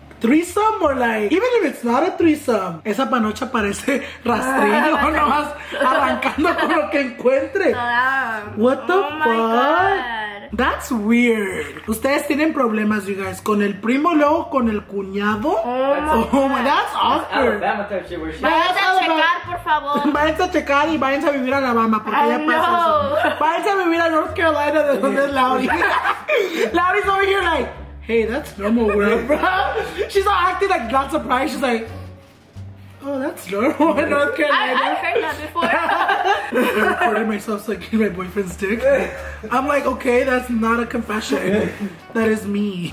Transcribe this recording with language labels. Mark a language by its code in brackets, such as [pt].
[en] Threesome or like, even if it's not a threesome. [es] Esa panocha parece rastrillo, nomás arrancando con lo que encuentre. [en] What the fuck? God. That's weird. [es] Ustedes tienen problemas, [en] you guys. [es] Con el primo, luego con el cuñado. [en] Oh my God. That's awkward. [es] Váyanse a checar, por favor. Váyanse a checar y váyanse a vivir a Alabama. Porque ya pasó eso. Váyanse a vivir a North Carolina, de donde es Lauri. [en] Lauri's over here like, hey, that's normal, bro. She's all acting like not surprised. She's like, oh, that's normal in North Carolina. I've heard that before. I recorded myself sucking my boyfriend's dick. I'm like, okay, that's not a confession. That is me.